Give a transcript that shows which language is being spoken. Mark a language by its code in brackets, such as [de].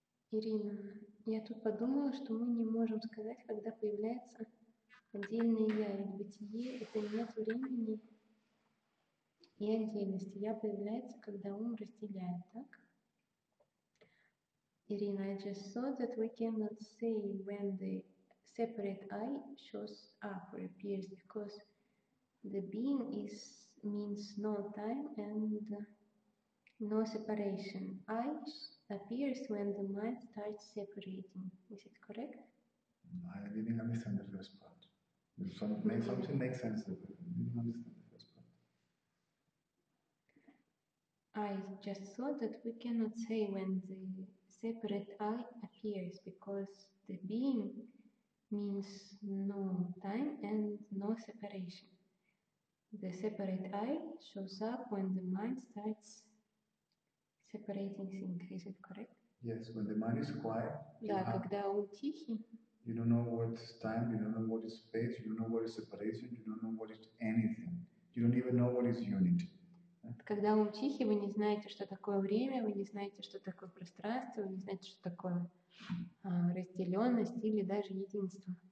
[ru] Ирина, я тут подумала, что мы не можем сказать, когда появляется отдельное я, ведь бытие — это нет времени и отдельности. Я появляется, когда ум разделяет, так? [en] Ирина, I just saw that we cannot say when the separate I shows up or appears, because the being is means no time and no separation. I appears when the mind starts separating. Is it correct? I didn't understand the first part. Something makes sense. I didn't understand the first part. I just thought that we cannot say when the separate I appears, because the being means no time and no separation. The separate I shows up when the mind starts separating things. Is it correct? Yes, when the mind is quiet. [ru] Да, когда ум тихий. [en] You don't know what is time, you don't know what is space, you don't know what is separation, you don't know what is anything. You don't even know what is unity. [ru] Когда ум тихий, вы не знаете, что такое время, вы не знаете, что такое пространство, вы не знаете, что такое разделенность или даже единство.